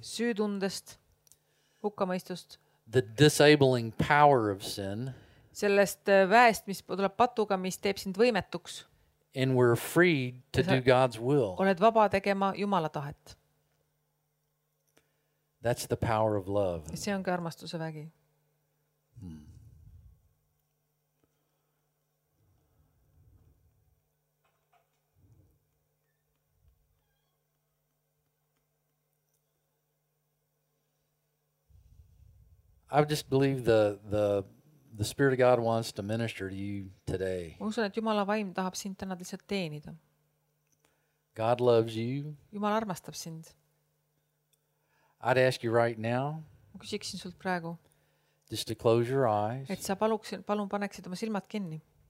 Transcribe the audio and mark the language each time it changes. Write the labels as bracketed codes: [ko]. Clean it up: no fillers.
[et] süüdundest, hukkamõistust, [en] the disabling power of sin, [et] sellest väest, mis tuleb patuga, mis teeb sind võimetuks. [en] And we're freed to do God's will. [et] Oled vaba tegema Jumala tahet. [en] That's the power of love. [et] See on ka armastuse vägi. [en] I just believe the Spirit of God wants to minister to you today. [et] Ma usun, et Jumala vaim tahab sind täna lihtsalt teenida. [en] God loves you. [et] Jumal armastab sind. [en] I'd ask you right now. [et] Ma küsiksin sult praegu. [en] Just to close your eyes. [et] Et sa palun paneksid oma silmad kinni.